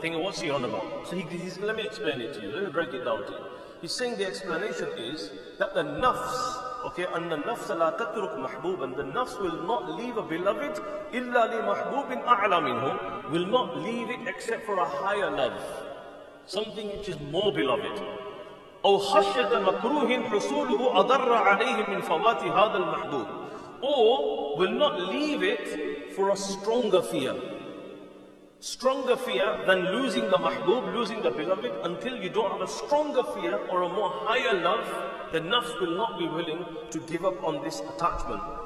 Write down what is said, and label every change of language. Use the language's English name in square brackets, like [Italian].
[English] Thinking, what's he on about? So he's, let me explain it to you. Let me break it down to you. He's saying the explanation is that the nafs, okay, and the nafs [Arabic] la tatruk mahbuban, [English] the nafs will not leave a beloved [Arabic] illa li mahbubin a'la minhu, [English] will not leave it except for a higher love, something which is more beloved. [Arabic] أو خشية مكروه حصوله أضر عليه من فوات هذا المحبوب. [English] Or will not leave it for a stronger fear. Stronger fear than losing the mahbub, losing the beloved, until you don't have a stronger fear or a more higher love, the nafs will not be willing to give up on this attachment.